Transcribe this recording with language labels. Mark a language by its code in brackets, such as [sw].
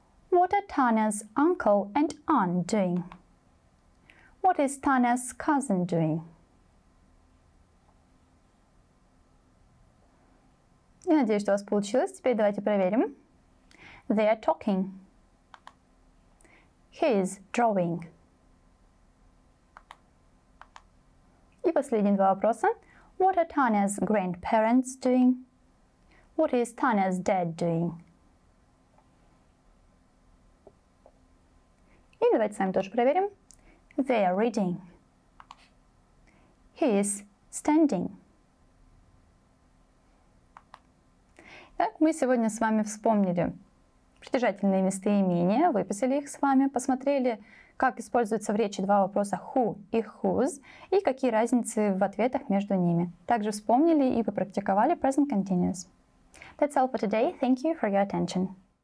[en] What are Tanya's uncle and aunt doing? What is Tanya's cousin doing? [ru] Я надеюсь, что у вас получилось. Теперь давайте проверим. [en] They are talking. He is drawing. [ru] И последние два вопроса. [en] What are Tanya's grandparents doing? What is Tanya's dad doing? [ru] И давайте с вами тоже проверим. [en] They are reading. He is standing. [ru] Итак, мы сегодня с вами вспомнили притяжательные местоимения, выписали их с вами, посмотрели, как используются в речи два вопроса who и whose, и какие разницы в ответах между ними. Также вспомнили и попрактиковали [en] present continuous. That's all for today. Thank you for your attention.